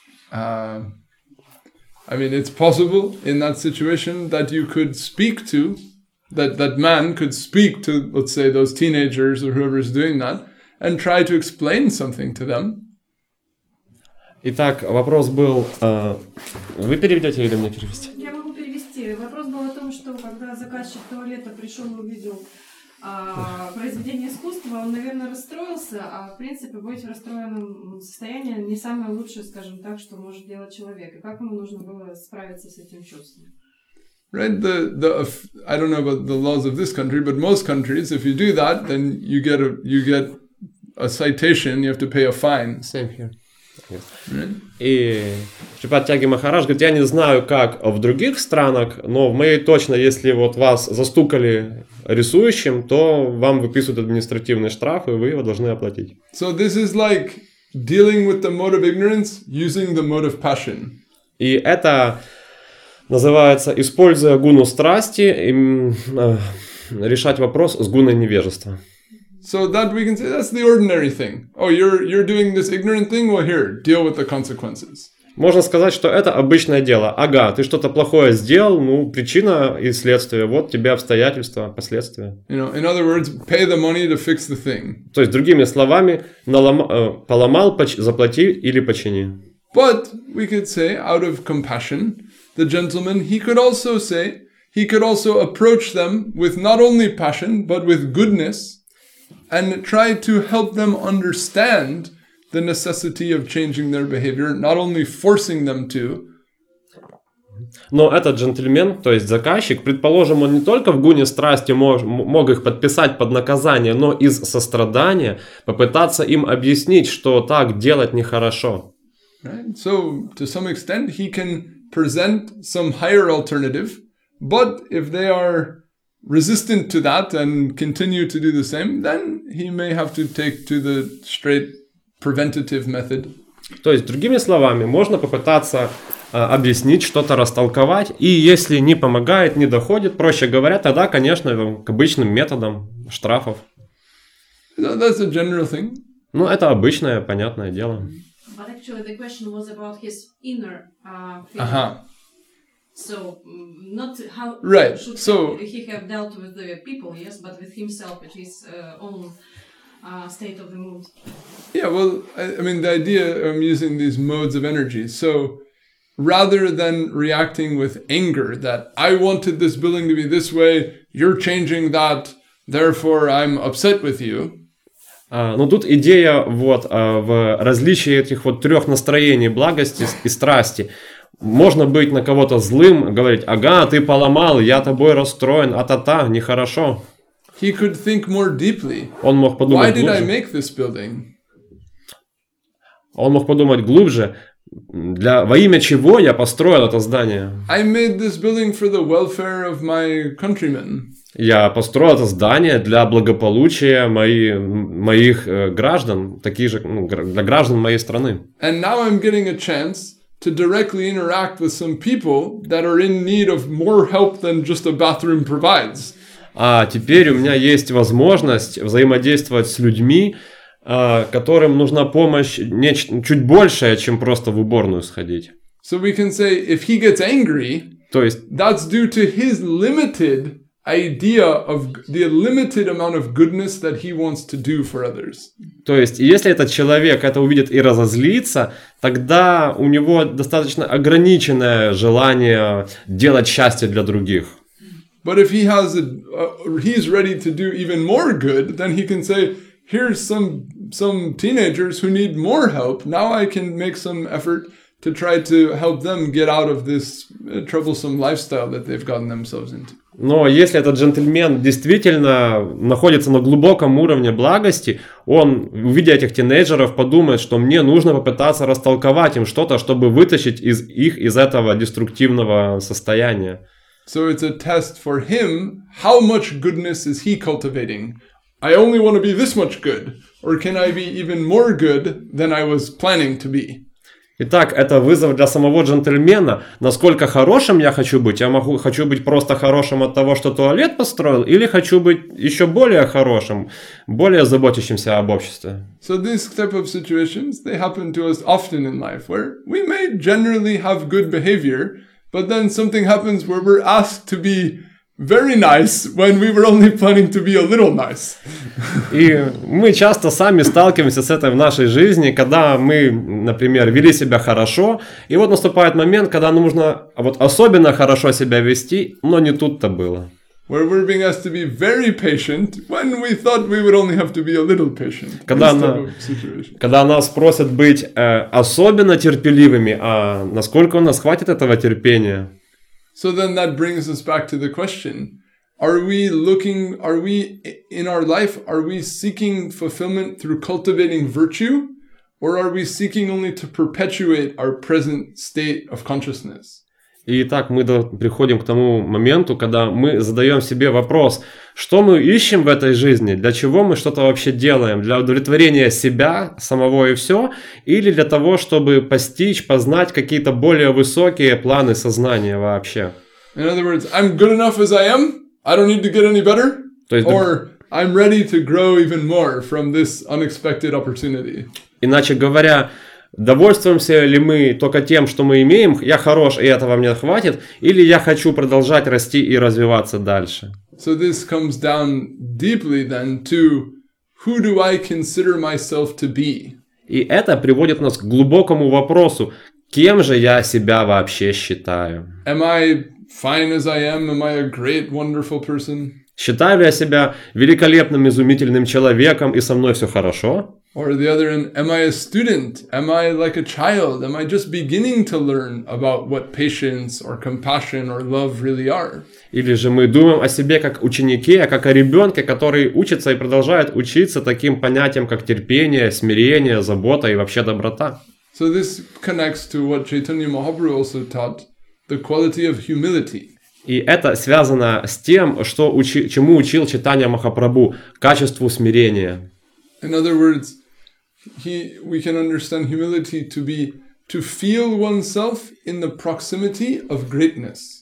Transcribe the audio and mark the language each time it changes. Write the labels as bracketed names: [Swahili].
[English] I mean, it's possible in that situation that you could speak to, that man could speak to, let's say, those teenagers or whoever is doing that, and try to explain something to them. [Russian] Итак, вопрос был, вы переведете или мне перевести? Я могу перевести. Вопрос был о том, что когда заказчик туалета пришел и увидел произведение искусства, он, наверное, расстроился, а в принципе быть в расстроенном состоянии не самое лучшее, скажем так, что может делать человек. И как ему нужно было справиться с этим чувством? [English] Right, I don't know about the laws of this country, but most countries, if you do that, then you get a citation, you have to pay a fine. Same here. Yes. Right? [Russian] И Шипат Тяги Махарадж говорит, я не знаю, как в других странах, но в моей точно, если вот вас застукали рисующим, то вам выписывают административный штраф, и вы его должны оплатить. [English] So this is like dealing with the mode of ignorance using the mode of passion. [Russian] И это называется, используя гуну страсти, решать вопрос с гуной невежества. [English] So that we can say that's the ordinary thing. Oh, you're doing this ignorant thing? Well, here, deal with the consequences. [Russian] Можно сказать, что это обычное дело. Ага, ты что-то плохое сделал, ну, причина и следствие. Вот тебе обстоятельства, последствия. [English] You know, in other words, pay the money to fix the thing. [Russian] То есть, другими словами, поломал, заплати или почини. [English] But we could say, out of compassion, the gentleman, he could also say, he could also approach them with not only passion, but with goodness, and try to help them understand the necessity of changing their behavior, not only forcing them to. [Russian] Но этот джентльмен, то есть заказчик, предположим, он не только в гуне страсти мог их подписать под наказание, но из сострадания попытаться им объяснить, что так делать нехорошо. [English] Right. So, to some extent, he can present some higher alternative, but if they are resistant to that and continue to do the same, then he may have to take to the straight preventative method. [Russian] То есть, другими словами, можно попытаться объяснить, что-то растолковать, и если не помогает, не доходит, проще говоря, тогда, конечно, к обычным методам штрафов. [English] So that's a general thing. [Russian] Ну, это обычное, понятное дело. [English] But actually, the question was about his inner feeling. Uh-huh. So, not how right. should so, he have dealt with the people, yes, but with himself, with his own state of the mood. Yeah, well, I mean, the idea of using these modes of energy. So, rather than reacting with anger that I wanted this building to be this way, you're changing that, therefore I'm upset with you. [Russian] Но тут идея вот в различии этих вот трех настроений благости и страсти. Можно быть на кого-то злым, говорить, ага, ты поломал, я тобой расстроен, а-та-та, нехорошо. [English] He could think more deeply. [Russian] Он мог подумать глубже. [English] Why did I make this building? [Russian] Он мог подумать глубже, во имя чего я построил это здание. [English] I made this building for the welfare of my countrymen. [Russian] Я построил это здание для благополучия моих граждан, таких же, для граждан моей страны. [English] And now I'm getting a chance to directly interact with some people that are in need of more help than just a bathroom provides. [Russian] А теперь у меня есть возможность взаимодействовать с людьми, которым нужна помощь нечто чуть большее, чем просто в уборную сходить. [English] So we can say, if he gets angry, [Russian] то есть, [English] that's due to his limited idea of the limited amount of goodness that he wants to do for others. [Russian] То есть, если этот человек это увидит и разозлится, тогда у него достаточно ограниченное желание делать счастье для других. [English] But if he has he's ready to do even more good, then he can say, here's some teenagers who need more help. Now I can make some effort to try to help them get out of this troublesome lifestyle that they've gotten themselves into. [Russian] Но если этот джентльмен действительно находится на глубоком уровне благости, он, увидя этих тинейджеров, подумает, что мне нужно попытаться растолковать им что-то, чтобы вытащить из этого деструктивного состояния. [English] So it's a test for him, how much goodness is he cultivating? I only want to be this much good, or can I be even more good than I was planning to be? [Russian] Итак, это вызов для самого джентльмена. Насколько хорошим я хочу быть? Хочу быть просто хорошим от того, что туалет построил, или хочу быть еще более хорошим, более заботящимся об обществе? [English] So these type of situations, they happen to us often in life, where we may generally have good behavior, but then something happens where we're asked to be very nice when we were only planning to be a little nice. [Russian] И мы часто сами сталкиваемся с этой в нашей жизни, когда мы, например, вели себя хорошо, и вот наступает момент, когда нужно вот особенно хорошо себя вести, но не тут-то было. [English] Where we're being asked to be very patient when we thought we would only have to be a little patient. [Russian] Когда нас просят быть особенно терпеливыми, а насколько у нас хватит этого терпения? [English] So then that brings us back to the question. Are we in our life, are we seeking fulfillment through cultivating virtue? Or are we seeking only to perpetuate our present state of consciousness? [Russian] Итак, мы приходим к тому моменту, когда мы задаем себе вопрос, что мы ищем в этой жизни, для чего мы что-то вообще делаем, для удовлетворения себя, самого и все, или для того, чтобы постичь, познать какие-то более высокие планы сознания вообще. [English] In other words, I'm good enough as I am, I don't need to get any better, or I'm ready to grow even more from this unexpected opportunity. [Russian] Иначе говоря, довольствуемся ли мы только тем, что мы имеем, я хорош и этого мне хватит, или я хочу продолжать расти и развиваться дальше? [English] So this comes down deeply then to who do I consider myself to be? [Russian] И это приводит нас к глубокому вопросу, кем же я себя вообще считаю? [English] Am I fine as I am? Am I a great, wonderful person? [Russian] Считаю ли я себя великолепным, изумительным человеком, и со мной все хорошо? [English] Or the other end, am I a student? Am I like a child? Am I just beginning to learn about what patience or compassion or love really are? [Russian] Или же мы думаем о себе как ученике, как о ребенке, который учится и продолжает учиться таким понятиям, как терпение, смирение, забота и вообще доброта. [English] So this connects to what Chaitanya Mahaprabhu also taught, the quality of humility. [Russian] И это связано с тем, что чему учил Чайтанья Махапрабху, качеству смирения. [English] In other words, we can understand humility to be to feel oneself in the proximity of greatness.